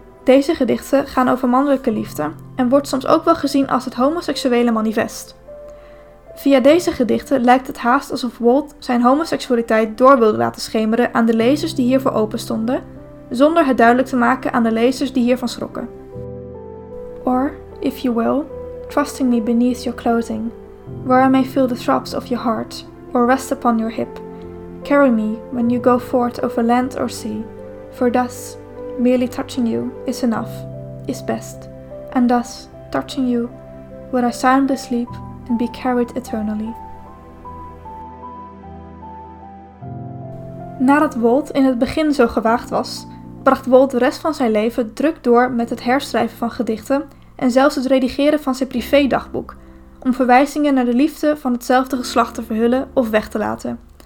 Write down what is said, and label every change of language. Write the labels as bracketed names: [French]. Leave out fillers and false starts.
[Dutch] Deze gedichten gaan over mannelijke liefde en wordt soms ook wel gezien als het homoseksuele manifest. Via deze gedichten lijkt het haast alsof Walt zijn homoseksualiteit door wilde laten schemeren aan de lezers die hiervoor openstonden, zonder het duidelijk te maken aan de lezers die hiervan schrokken. [English] Or, if you will, trusting me beneath your clothing, where I may feel the throbs of your heart, or rest upon your hip, carry me when you go forth over land or sea, for thus, merely touching you is enough, is best, and thus, touching you, will I soundly sleep and be carried eternally. [Dutch] Nadat Walt in het begin zo gewaagd was, bracht Walt de rest van zijn leven druk door met het herschrijven van gedichten en zelfs het redigeren van zijn privédagboek, om verwijzingen naar de liefde van hetzelfde geslacht te verhullen of weg te laten.